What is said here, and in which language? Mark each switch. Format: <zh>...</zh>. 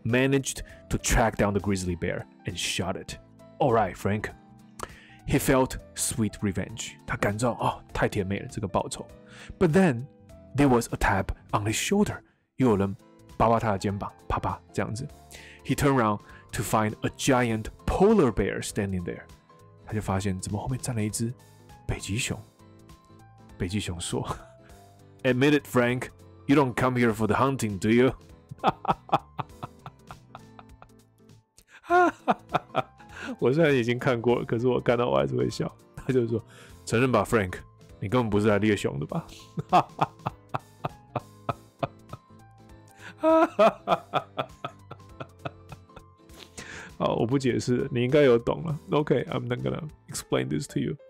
<en>Managed to track down the grizzly bear and shot it. All right, Frank. He felt sweet revenge.</en> <zh>他感到、哦、太甜美了这个报酬。</zh> <en>But then, there was a tap on his shoulder.</en> <zh>又有人扒扒他的肩膀，啪啪这样子。</zh> <en>He turned around to find a giant polar bear standing there.</en> <zh>他就发现怎么后面站了一只北极熊。北极熊说</zh> <en>，Admit it, Frank. You don't come here for the hunting, do you?</en> <zh>我虽然已经看过了，可是我看到我还是会笑。他就说，承认吧 ，Frank， 你根本不是来猎熊的吧？好，我不解释，你应该有懂了。</zh> <en>Okay, I'm not gonna explain this to you.</en>